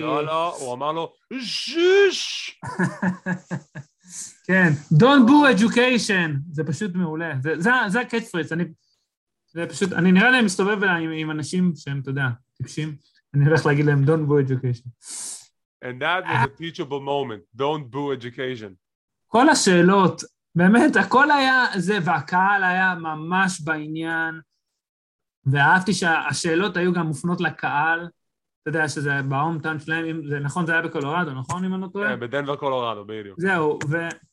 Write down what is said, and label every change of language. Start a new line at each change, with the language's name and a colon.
Hebrew: לא, לא, הוא אמר לו, שש! כן,
English: don't boo education,
Hebrew: זה פשוט מעולה, זה הקאץ' פרייז, אני... זה פשוט, אני נראה להם מסתובב אליי עם אנשים שהם, אתה יודע, טיפשים, אני הולך להגיד להם,
English: don't boo education. And that was a teachable moment, don't boo education.
Hebrew: כל השאלות, באמת, הכל היה זה, והקהל היה ממש בעניין, ואהבתי שהשאלות היו גם מופנות לקהל, אתה יודע שזה באום טאון שלהם, זה נכון, זה היה בקולורדו, נכון אם אני טועה? כן, בדנבר קולורדו, בדיוק. זהו, ו...